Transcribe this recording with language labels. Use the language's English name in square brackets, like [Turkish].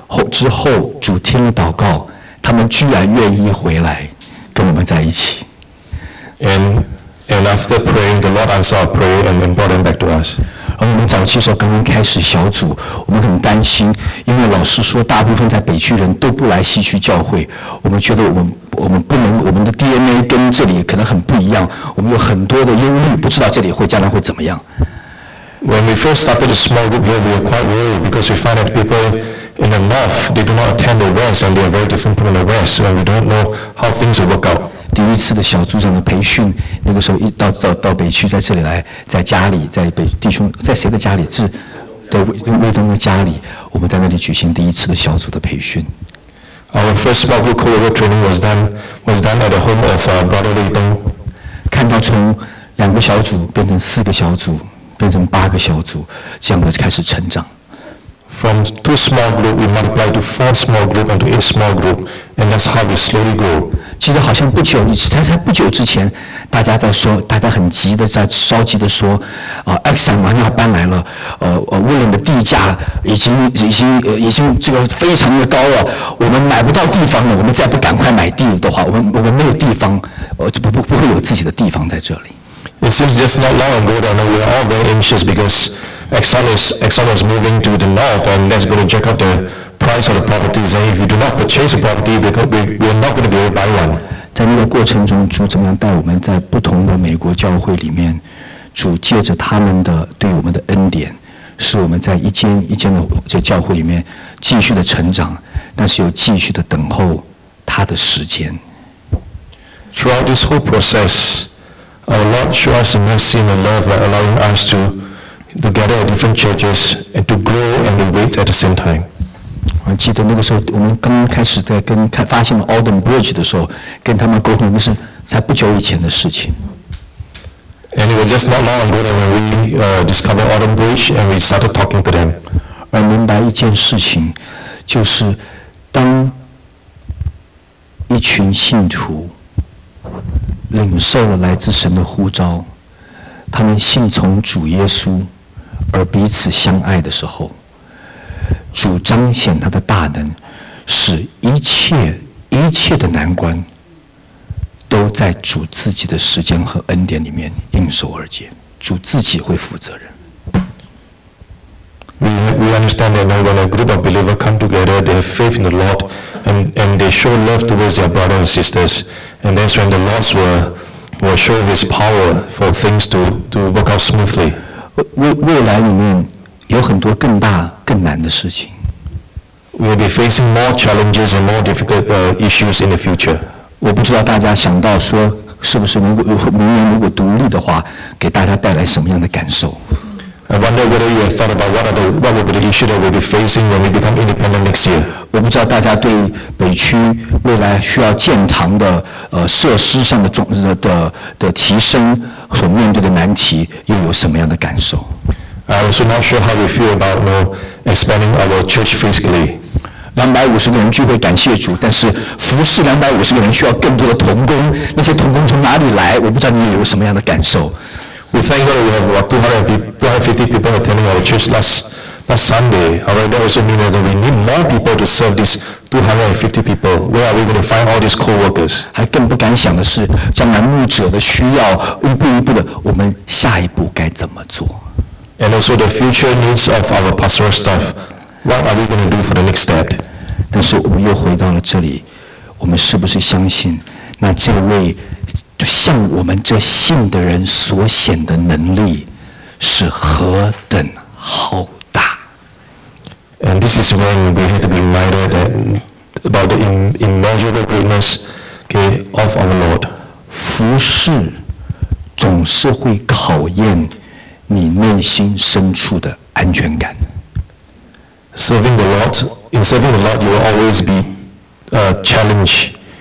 [Chinese] 之后主听了祷告，他们居然愿意回来跟我们在一起。 [English] And after praying, the Lord answered our prayer and brought them back to us. [Chinese] 而我们早期的时候刚刚开始小组，我们很担心，因为老师说大部分在北区人都不来西区教会，我们觉得我们不能，我们的 DNA 跟这里可能很不一样，我们有很多的忧虑，不知道这里会将来会怎么样。 [English] When we first started a small group here, we were quite worried because we found that people in the north they do not attend the west and they are very different from the west, and we don't know how things will work out. [Chinese] 第一次的小组长的培训，那个时候一到北区，在这里来，在家里，在北弟兄，在谁的家里？是在魏东的家里。我们在那里举行第一次的小组的培训。 [English] Our first small group co-worker training was done at the home of Brother Wei Dong. [Chinese] 看到从两个小组变成四个小组，变成八个小组，这样的开始成长。 [English] From two small group, we multiply to four small group and to eight small group, and that's how we slowly grow. [Chinese] 记得好像不久，才不久之前，大家在说，大家很急的在着急的说，Exxon 马上要搬来了，William 的地价已经这个非常的高了，我们买不到地方了，我们再不赶快买地的话，我们没有地方，不会有自己的地方在这里。 [English] It seems just not long ago that we are all very anxious because. Exxon is moving to the north, and that's going to jack up the price of the properties. And if you do not purchase a property, we're not going to be able to buy one. [Chinese] 在那个过程中，主怎么样带我们在不同的美国教会里面，主借着他们的对我们的恩典，使我们在一间一间的这教会里面继续的成长，但是又继续的等候他的时间。 [English] Throughout this whole process, our Lord showed us mercy and love by allowing us to. To gather at different churches and to grow and to wait at the same time. [Chinese] 我记得那个时候，我们刚开始在跟发现 Alden Bridge 的时候，跟他们沟通，那是才不久以前的事情。 [English] And it was just not long ago when we discovered Alden Bridge and we started talking to them. [Chinese] 而明白一件事情，就是当一群信徒领受了来自神的呼召，他们信从主耶稣。而彼此相爱的时候，主彰显他的大能，使一切的难关都在主自己的时间和恩典里面应手而解。主自己会负责任。 [English] We understand that when a group of believers come together, they have faith in the Lord, and they show love towards their brothers and sisters, and that's when the Lord will will show His power for things to work out smoothly. [Chinese] 未来里面有很多更大更难的事情。 [English] We'll be facing more challenges and more difficult issues in the future. [Chinese] 我不知道大家想到说是不是如果明年如果独立的话，给大家带来什么样的感受？ [English] I wonder whether you have thought about what will be the issue that we'll be facing when we become independent next year. [Chinese] 我不知道大家对北区未来需要建堂的设施上的总的提升所面对的难题又有什么样的感受 [English] ？I'm also not sure how we feel about expanding our church physically. [Chinese] 250个人聚会，感谢主，但是服侍250个人需要更多的同工，那些同工从哪里来？我不知道你有什么样的感受。 [English] We thank God we have about 250 people attending our church last Sunday. However, that also means that we need more people to serve these 250 people. Where are we going to find all these co-workers? [Chinese] 还更不敢想的是，将来牧者的需要，一步一步的，我们下一步该怎么做 [English] ？And also the future needs of our pastoral staff. What are we going to do for the next step? [Chinese] 但是我们又回到了这里，我们是不是相信那这位？向我们这信的人所显的能力是何等浩大。 [English] And this is when we have to be reminded that about the immeasurable greatness of our Lord. [Chinese] 服事总是会考验你内心深处的安全感。 [English] Serving the Lord, in serving the Lord, you will always be challenged.